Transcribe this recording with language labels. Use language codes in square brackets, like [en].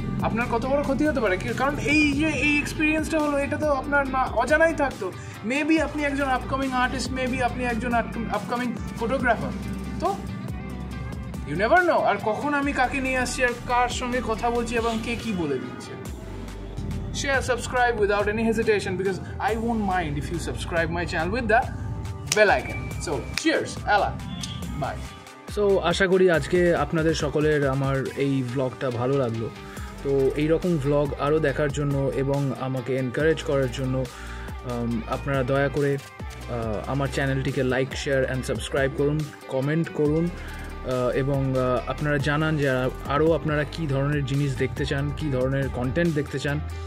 [bn] আপনার কত বড় ক্ষতি হতে পারে, কারণ এই যে এই এক্সপিরিয়েন্সটা হলো এটা তো আপনার না অজানাই থাকতো। মেবি আপনি একজন আপকামিং আর্টিস্ট, মেবি আপনি একজন আপকামিং ফটোগ্রাফার, তো [en] You never know. [bn] আর কখন আমি কাকে নিয়ে আসছি আর কার সঙ্গে কথা বলছি এবং কে কী বলে দিচ্ছে। [en] Share, subscribe without any hesitation, because I won't mind if you subscribe my channel with the bell icon. So, cheers, Allah, bye. [bn] So, আশা করি আজকে আপনাদের সকলের আমার এই ব্লগটা ভালো লাগলো। তো এইরকম ভ্লগ আরও দেখার জন্য এবং আমাকে এনকারেজ করার জন্য আপনারা দয়া করে আমার চ্যানেলটিকে লাইক, শেয়ার অ্যান্ড সাবস্ক্রাইব করুন, কমেন্ট করুন এবং আপনারা জানান যে আরও আপনারা কী ধরনের জিনিস দেখতে চান, কী ধরনের কন্টেন্ট দেখতে চান।